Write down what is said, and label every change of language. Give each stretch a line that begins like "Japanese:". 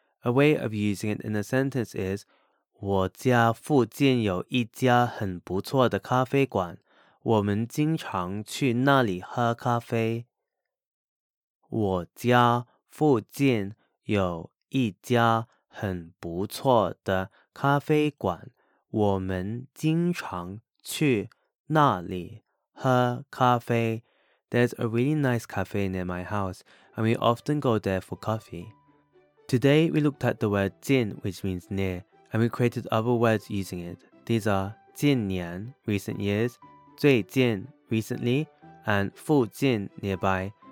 English: A way of using it in a sentence is
Chinese: 我家附近有一家很不错的咖啡馆，我们经常去那里喝咖啡。我家附近有一家很不错的咖啡馆，我们经常去那里喝咖啡。
English: There's a really nice cafe near my house, and we often go there for coffee. Today, we looked at the word 近, which means near, and we created other words using it. These are 近年, recent years, 最近, recently, and 附近, nearby.